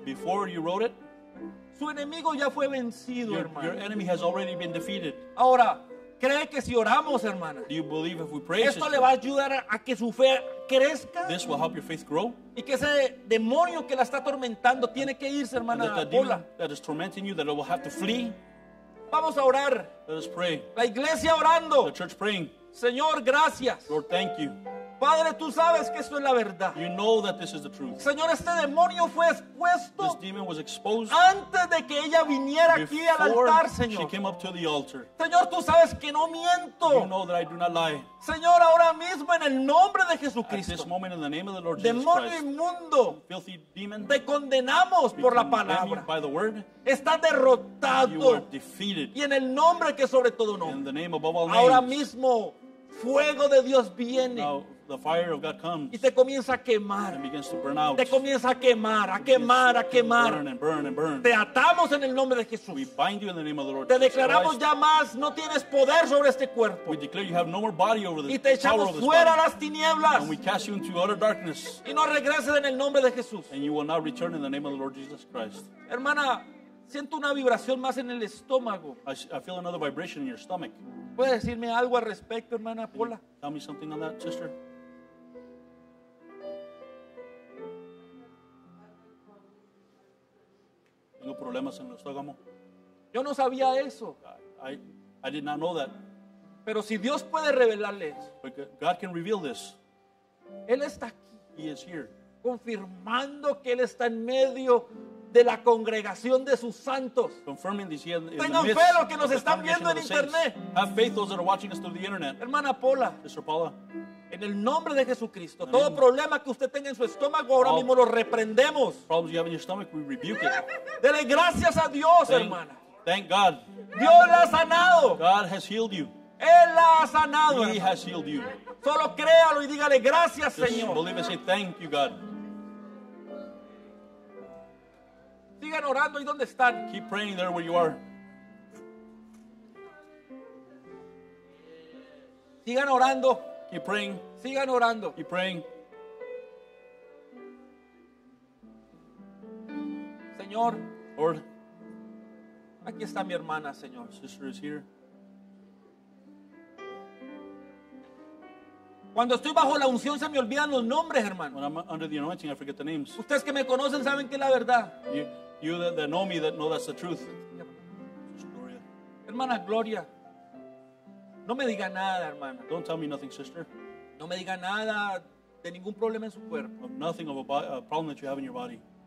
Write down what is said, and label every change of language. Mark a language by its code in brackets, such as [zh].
[en] Before you wrote it, [es] su enemigo ya fue vencido, hermano. [en] Your enemy has already been defeated. [es] Ahora, ¿cree que si oramos, hermana? [en] Do you believe if we pray, [es] esto le va a ayudar a que su fe crezca? [en] This will help your faith grow. [es] Y que ese demonio que la está atormentando tiene que irse, hermana. [en] That demon that is tormenting you, that it will have to flee. [es] Vamos a orar. [en] Let us pray. [es] La iglesia orando. [en] The church praying. [es] Señor, gracias. [en] Lord, thank you. [es] Padre, tú sabes que esto es la verdad. [en] You know that this is the truth. [es] Señor, este demonio fue expuesto. [en] This demon was exposed [es] antes de que ella viniera aquí al altar, Señor. [en] She came up to the altar. [es] Señor, tú sabes que no miento. [en] You know that I do not lie. [es] Señor, ahora mismo en el nombre de Jesucristo. [en] At this moment in the name of the Lord Jesus [es] demonio [en] Christ. [es] Demonio inmundo. [en] Filthy demon. [es] Te condenamos por la palabra. [en] By the word. [es] Estás derrotado. [en] You are defeated. [es] Y en el nombre que sobre todo nombre. [en] In the name above all names. [es] Ahora mismo fuego de Dios viene. [en] Now, the fire of God comes. [es] Y te comienza a quemar. [en] And begins to burn out. [es] Te comienza a quemar, a quemar, a quemar. [en] Burn and burn and burn. [es] Te atamos en el nombre de Jesús. [en] We bind you in the name of the Lord. [es] Te declaramos ya más, no tienes poder sobre este cuerpo. [en] We declare you have no more body over the power of this body. [es] Y te echamos fuera las tinieblas. [en] And we cast you into utter darkness. [es] Y no regreses en el nombre de Jesús. [en] And you will not return in the name of the Lord Jesus Christ. [es] Hermana, siento una vibración más en el estómago. [en] I feel another vibration in your stomach. [es] ¿Puedes decirme algo al respecto, hermana Paula? [en] Tell me something on that, sister. [es] Tengo problemas en el estómago. Yo no sabía eso. [en] I did not know that. [es] Pero si Dios puede revelarle eso. [en] God can reveal this. [es] Él está aquí. [en] He is here. [es] Confirmando que Él está en medio de la congregación de sus santos. [en] Confirming this in the midst [es] fe los que nos están viendo en internet. [en] Have faith those that are watching us through the internet. [es] Hermana Paula. [en] Sister Paula. [es] En el nombre de Jesucristo, todo problema que usted tenga en su estómago, ahora mismo lo reprendemos. [en] Problems you have in your stomach, we rebuke it. [es] Dele gracias a Dios, hermana. [en] Thank God. [es] Dios la ha sanado. [en] God has healed you. [es] Él la ha sanado. [en] He has healed you. [es] Solo créalo y dígale gracias, Señor. [en] Just believe and say thank you, God. [es] Sigan orando ahí donde están. [en] Keep praying there where you are. [es] Sigan orando. [en] Keep praying. [es] Sigan orando. [en] Keep praying. [es] Señor. [en] Lord. [es] Aquí está mi hermana, Señor. [en] Sister is here. [es] Cuando estoy bajo la unción se me olvidan los nombres, hermano. [en] When I'm under the anointing, I forget the names. [es] Ustedes que me conocen saben que es la verdad. [en] You that know me, that know that's the truth. [es] Gloria. Hermana Gloria. No me diga nada, hermana. [en] Don't tell me nothing, sister. [es] No me diga nada de ningún problema en su cuerpo. [en] Of nothing of a problem that you have in your body.